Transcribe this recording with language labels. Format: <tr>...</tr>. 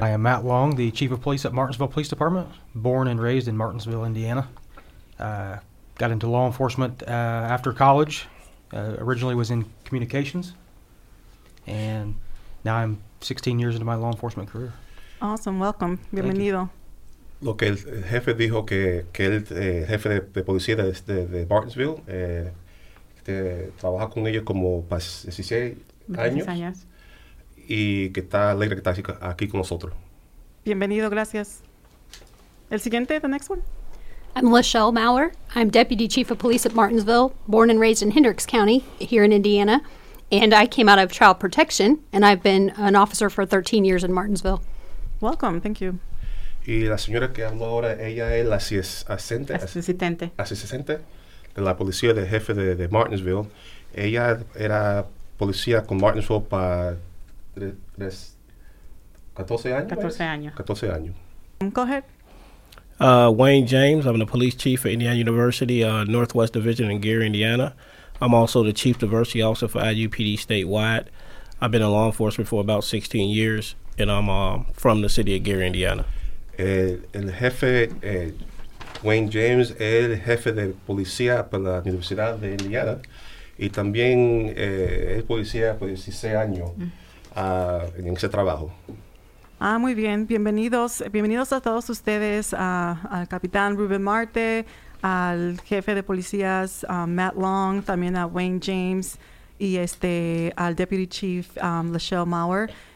<en>I am Matt Long, the Chief of Police at Martinsville Police Department, born and raised in Martinsville, Indiana. Got into law enforcement after college, originally was in communications, and now I'm 16 years into my law enforcement career. Awesome, welcome, bienvenido.</en> <es>Lo que el jefe dijo que el jefe de policía de Martinsville, trabaja con ellos como 16 años y que está alegre que está aquí con nosotros. Bienvenido, gracias. El siguiente,</es> <en>the next one. I'm Lachelle Maurer. I'm Deputy Chief of Police at Martinsville, born and raised in Hendricks County here in Indiana, and I came out of Child Protection, and I've been an officer for 13 years in Martinsville. Welcome, thank you.</en> <es>Y la señora que habló ahora, ella es la asistente. Asistente. De la policía del jefe de Martinsville. Ella era policía con Martinsville para 14 años.</es> <en>Go ahead. Wayne James, I'm the police chief at Indiana University, Northwest Division in Gary, Indiana. I'm also the chief diversity officer for IUPD statewide. I've been in law enforcement for about 16 years, and I'm from the city of Gary, Indiana.</en> <es>El jefe, Wayne James, el jefe de policía para la Universidad de Indiana, y también es policía por 16 años en ese trabajo. Ah, muy bien. Bienvenidos a todos ustedes, al capitán Ruben Marte, al jefe de policías Matt Long, también a Wayne James y al deputy chief Lachelle Maurer.</es>